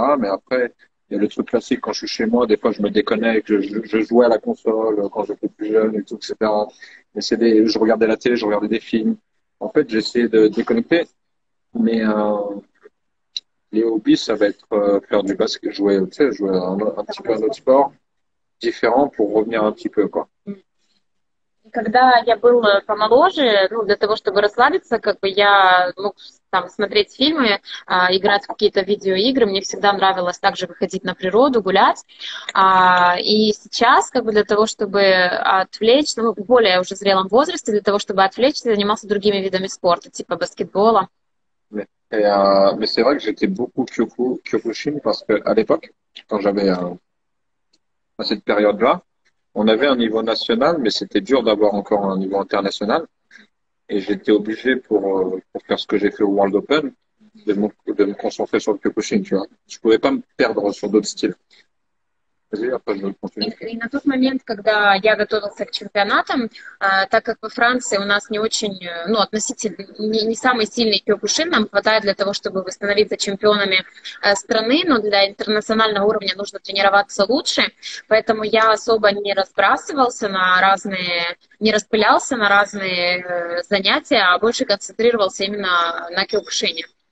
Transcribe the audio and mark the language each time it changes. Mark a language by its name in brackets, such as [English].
[French] Mais après, il y a le truc classique, quand je suis chez moi, des fois, je me déconnecte, je jouais à la console quand j'étais plus jeune, et tout, etc. Mais je regardais la télé, je regardais des films. En fait, j'essayais de déconnecter, mais les hobbies, ça va être faire du basket, jouer un petit peu à un autre sport différent pour revenir un petit peu, quoi. [Russian] Когда я был помоложе, ну, для того, чтобы расслабиться, как бы я мог там смотреть фильмы, играть в какие-то видеоигры. Мне всегда нравилось также выходить на природу, гулять. И сейчас, как бы для того, чтобы отвлечь, ну, в более уже зрелом возрасте, для того, чтобы отвлечься, занимался другими видами спорта, типа баскетбола. [French] Mais c'est vrai que j'étais beaucoup Kyokushin, parce que à l'époque, quand j'avais à cette période-là, on avait un niveau national, mais c'était dur d'avoir encore un niveau international. Et j'étais obligé pour faire ce que j'ai fait au World Open de me concentrer sur le Kyokushin, tu vois. Je pouvais pas me perdre sur d'autres styles. [Russian] И на тот момент, когда я готовился к чемпионатам, так как во Франции у нас не очень, ну, относительно, не самый сильный кёкушин, нам хватает для того, чтобы восстановиться чемпионами страны, но для интернационального уровня нужно тренироваться лучше, поэтому я особо не разбрасывался на разные, не распылялся на разные занятия, а больше концентрировался именно на кёкушине.